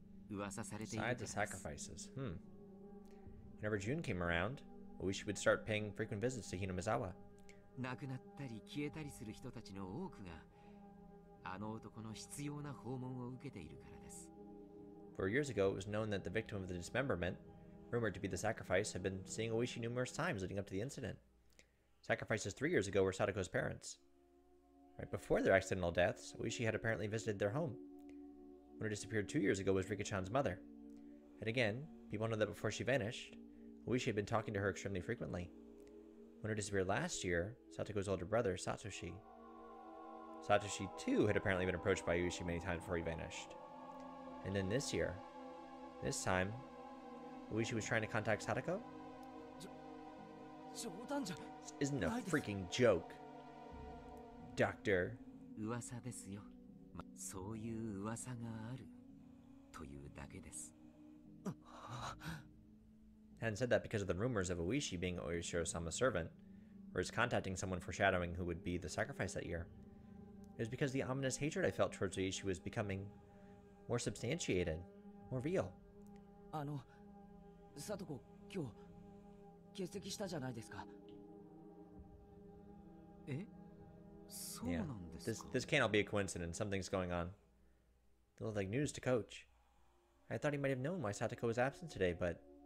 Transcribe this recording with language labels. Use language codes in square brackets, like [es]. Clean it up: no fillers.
[en] Besides the sacrifices, Whenever June came around, Oishi would start paying frequent visits to Hinamizawa. [ja] 亡くなったり消えたりする人たちの多くが、あの男の執拗な訪問を受けているからです。 [en] For years ago, it was known that the victim of the dismemberment, rumored to be the sacrifice, had been seeing Oishi numerous times leading up to the incident. Sacrifices 3 years ago were Sadako's parents. Right before their accidental deaths, Oishi had apparently visited their home. When it disappeared 2 years ago was Rika-chan's mother. And again, people know that before she vanished, Oishi had been talking to her extremely frequently. When it disappeared last year, Satoko's older brother, Satoshi. Satoshi, too, had apparently been approached by Oishi many times before he vanished. And then this year, this time, Oishi was trying to contact Satoko? This isn't a freaking joke, Doctor. [ja] Uwasa desu yo. そういう噂があるというだけです。 [en] Hadn't said that because of the rumors of Oishi being Oyashiro-sama's servant, or his contacting someone foreshadowing who would be the sacrifice that year. It was because the ominous hatred I felt towards Oishi was becoming more substantiated, more real. [ja] あの、サトコ、今日、欠席したじゃないですか。え？ [en] Yeah, this can't all be a coincidence. Something's going on. It looked like news to Coach. I thought he might have known why Satoko was absent today, but...